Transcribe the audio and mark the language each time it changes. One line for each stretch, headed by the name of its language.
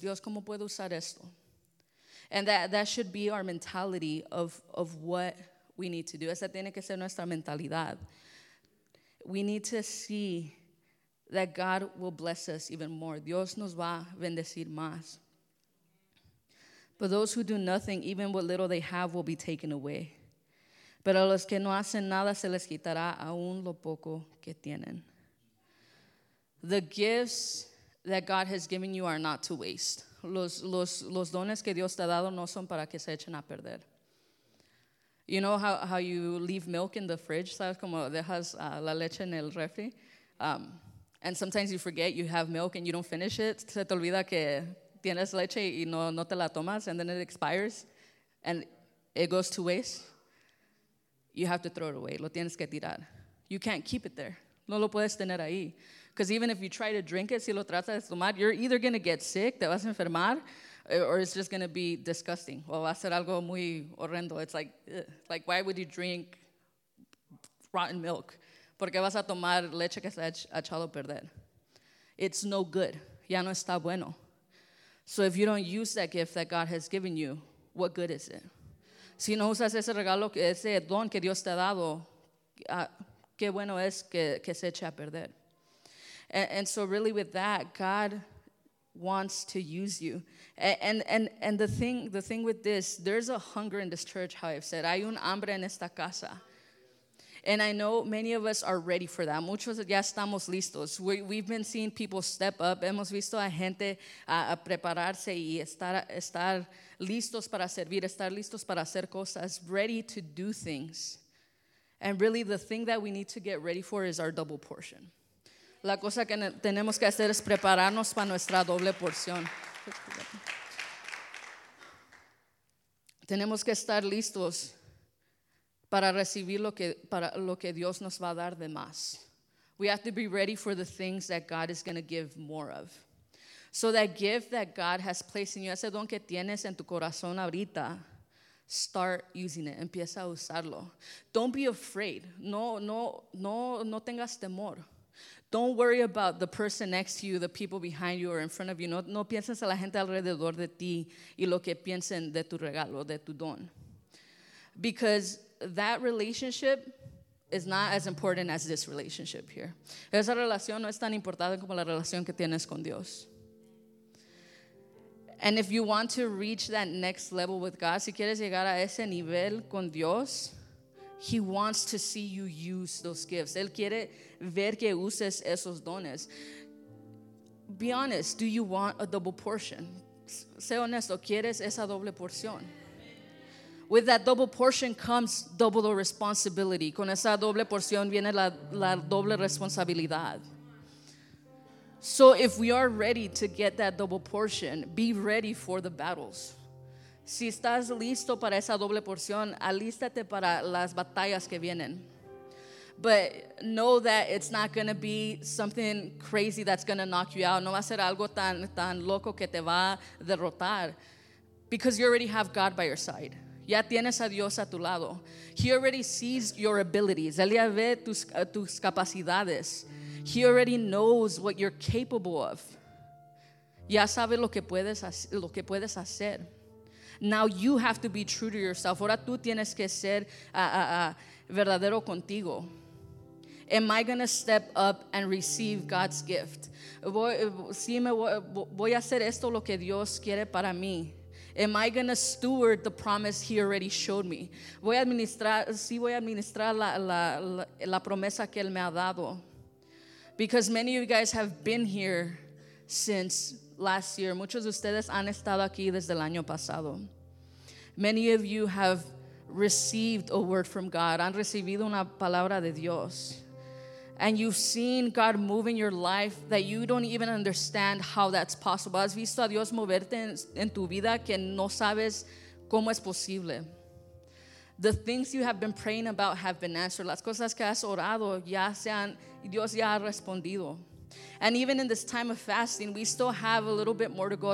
Spanish: Dios, ¿cómo puedo usar esto?
English: And that should be our mentality of what we need to do.
Spanish: Esa tiene que ser nuestra mentalidad.
English: We need to see that God will bless us even more.
Spanish: Dios nos va a bendecir más.
English: But those who do nothing, even what little they have, will be taken away.
Spanish: Pero a los que no hacen nada, se les quitará aún lo poco que tienen.
English: The gifts that God has given you are not to waste.
Spanish: Los dones que Dios te ha dado no son para que se echen a perder.
English: You know how you leave milk in the fridge?
Spanish: ¿Sabes cómo dejas la leche en el refri?
English: And sometimes you forget you have milk and you don't finish it.
Spanish: Se te olvida que tienes leche y no te la tomas.
English: And then it expires and it goes to waste. You have to throw it away.
Spanish: Lo tienes que tirar.
English: You can't keep it there.
Spanish: No lo puedes tener ahí.
English: Because even if you try to drink it,
Spanish: si lo tratas de tomar,
English: you're either going to get sick,
Spanish: te vas a enfermar,
English: or it's just going to be disgusting.
Spanish: O va a ser algo muy horrendo.
English: It's like, ugh. Like why would you drink rotten milk?
Spanish: Porque vas a tomar leche que se ha echado a perder.
English: It's no good.
Spanish: Ya no está bueno.
English: So if you don't use that gift that God has given you, what good is it?
Spanish: Si no usas ese regalo, ese don que Dios te ha dado, qué bueno es que se eche a perder.
English: And so really with that, God wants to use you. And the thing with this, there's a hunger in this church, how I've said.
Spanish: Hay un hambre en esta casa.
English: And I know many of us are ready for that.
Spanish: Muchos ya estamos listos.
English: We've been seeing people step up.
Spanish: Hemos visto a gente a prepararse y estar listos para servir, estar listos para hacer cosas,
English: ready to do things. And really, the thing that we need to get ready for is our double portion.
Spanish: La cosa que tenemos que hacer es prepararnos para nuestra doble porción. Tenemos que estar listos para recibir lo que Dios nos va a dar de más.
English: We have to be ready for the things that God is going to give more of. So that gift that God has placed in you,
Spanish: ese don que tienes en tu corazón ahorita,
English: start using it.
Spanish: Empieza a usarlo.
English: Don't be afraid.
Spanish: No tengas temor.
English: Don't worry about the person next to you, the people behind you or in front of you.
Spanish: No pienses a la gente alrededor de ti y lo que piensen de tu regalo, de tu don.
English: Because that relationship is not as important as this relationship here.
Spanish: Esa relación no es tan importante como la relación que tienes con Dios.
English: And if you want to reach that next level with God,
Spanish: si quieres llegar a ese nivel con Dios,
English: He wants to see you use those gifts.
Spanish: Él quiere ver que uses esos dones.
English: Be honest, do you want a double portion?
Spanish: Sé honesto, ¿quieres esa doble porción?
English: With that double portion comes double the responsibility.
Spanish: Con esa doble porción viene la doble responsabilidad.
English: So if we are ready to get that double portion, be ready for the battles.
Spanish: Si estás listo para esa doble porción, alístate para las batallas que vienen.
English: But know that it's not going to be something crazy that's going to knock you out.
Spanish: No va a ser algo tan loco que te va a derrotar.
English: Because you already have God by your side.
Spanish: Ya tienes a Dios a tu lado.
English: He already sees your abilities.
Spanish: Él ya ve tus capacidades.
English: He already knows what you're capable of.
Spanish: Ya sabe lo que puedes hacer.
English: Now you have to be true to yourself.
Spanish: Ahora tú tienes que ser verdadero contigo.
English: Am I going to step up and receive God's gift?
Spanish: Voy a hacer esto lo que Dios quiere para mí.
English: Am I going to steward the promise He already showed me?
Spanish: Voy a administrar la promesa que Él me ha dado.
English: Because many of you guys have been here since last year.
Spanish: Muchos de ustedes han estado aquí desde el año pasado.
English: Many of you have received a word from God.
Spanish: Han recibido una palabra de Dios.
English: And you've seen God move in your life that you don't even understand how that's possible.
Spanish: Has visto a Dios moverte en tu vida que no sabes cómo es posible.
English: The things you have been praying about have been answered.
Spanish: Las cosas que has orado ya se han, Dios ya ha respondido.
English: And even in this time of fasting, we still have a little bit more to go.